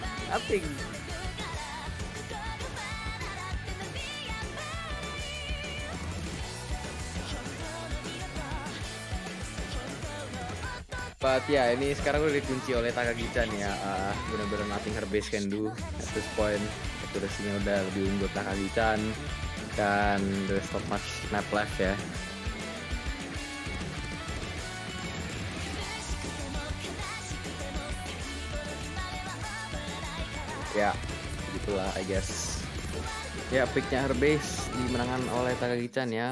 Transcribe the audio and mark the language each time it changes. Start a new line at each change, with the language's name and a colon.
English: Nothing.
Indonesian: But ya, ini sekarang udah dikunci oleh Takagi-chan ya. Benar-benar
English: nothing her base can do at this point.
Indonesian: Akurasinya udah lebih unggul Takagi-chan.
English: Dan there's not much map left ya.
Indonesian: Ya, begitulah
English: I guess.
Indonesian: Ya, picknya her base dimenangkan oleh Takagi-chan ya.